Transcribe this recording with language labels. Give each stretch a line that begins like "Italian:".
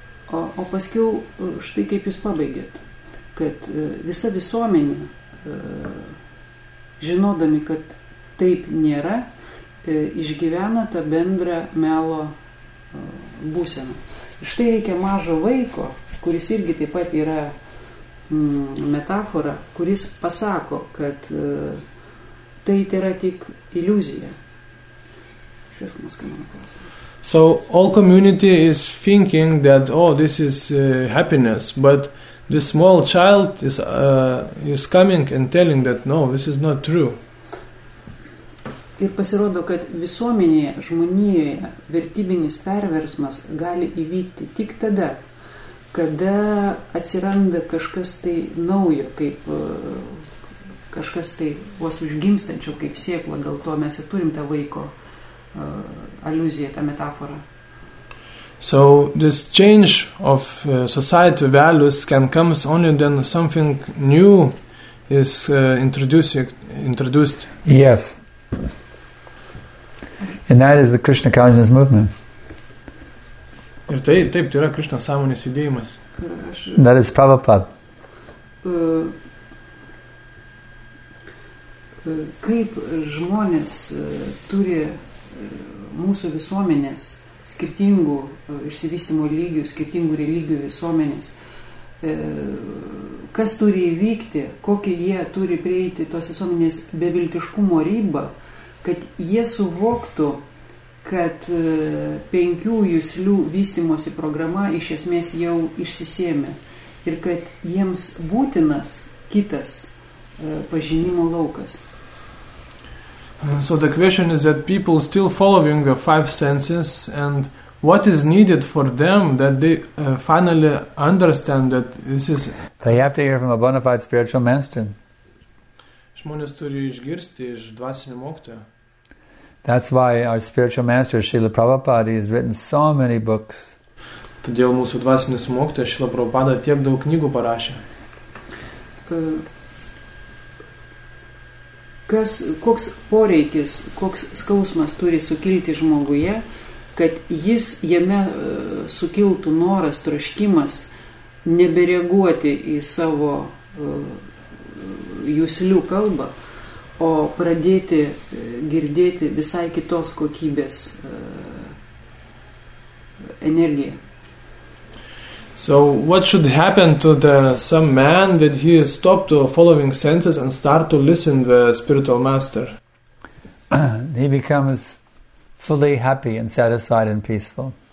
Lithuanian: O paskiau štai kaip jūs pabaigėt, kad visa visuomenė, žinodami, kad taip nėra, išgyvena tą bendrą melo būseną. Štai reikia mažo vaiko, kuris irgi taip pat yra metafora, kuris pasako, kad tai yra tik iliuzija. Šis klausimas.
English: So all community is thinking that, oh, this is happiness, but this small child is coming and telling that, no, this is not true.
Lithuanian: Ir pasirodo, kad visuomenėje, žmonijoje vertybinis perversmas gali įvykti tik tada, kada atsiranda kažkas tai naujo, kaip kažkas tai vos užgimstančio, kaip sėklo, dėl to mes ir turim tą vaiko aliuziją, tą metaforą.
English: So this change of society values can comes only then something new is introduced. Yes. And that is the Krishna consciousness movement.
Lithuanian: Ir tai, taip, tai yra Krishna sąmonės judėjimas.
English: That is Prabhupada.
Lithuanian: Kaip žmonės turi mūsų visuomenės skirtingų išsivystymo lygių, skirtingų religijų visuomenės. Kas turi įvykti, kokie jie turi prieiti tos visuomenės beviltiškumo ribą, kad jie suvoktų, kad penkių jūslių vystymosi programa iš esmės jau išsisėmė ir kad jiems būtinas kitas pažinimo laukas.
English: So the question is that people still following the five senses, and what is needed for them that they finally understand that this is... They have to hear from a bona fide spiritual master.
Lithuanian: Žmonės turi išgirsti iš dvasinio mokytojo.
English: That's why our spiritual master Srila Prabhupada has written so many books.
Lithuanian: Todėl mūsų dvasinis mokytojas Srila Prabhupada tiek daug knygų parašė. Koks poreikis, koks skausmas turi sukilti žmoguje, kad jis jame sukiltų noras, troškimas nebereaguoti į savo juslių kalbą, o pradėti girdėti visai kitos kokybės energiją.
English: So what should happen to the some man that he stopped to following senses and start to listen to the spiritual master? He becomes fully happy and satisfied and peaceful.